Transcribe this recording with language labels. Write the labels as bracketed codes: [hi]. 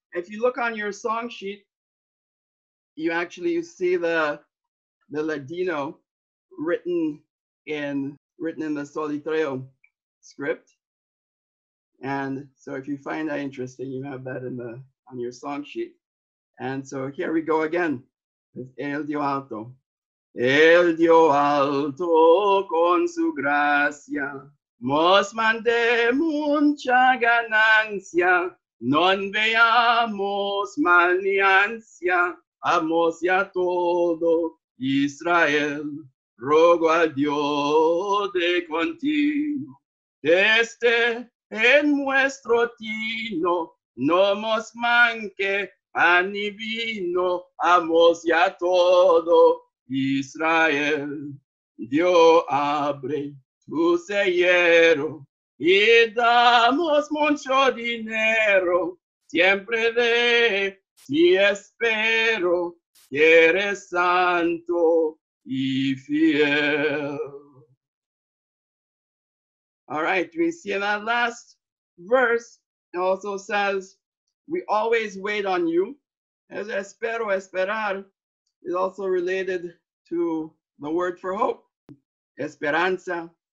[en] If you look on your song sheet, you actually see the Ladino written in the Solitreo script. And so if you find that interesting, you have that on your song sheet. And so here we go again with El Dio Alto. [lad] El Dio Alto con su gracia nos mande mucha ganancia. Non veamos mal ni ansia, amos ya todo Israel. Rogo a Dios de continuo esté en nuestro tino. No mos manque pan ni vino, amos ya todo Israel. Dios abre tu cellero y damos mucho dinero, siempre de ti espero, que eres santo y fiel. [en] All right, we see in that last verse, it also says, we always wait on you. [lad] Es espero, esperar, [en] is also related to the word for hope, esperanza.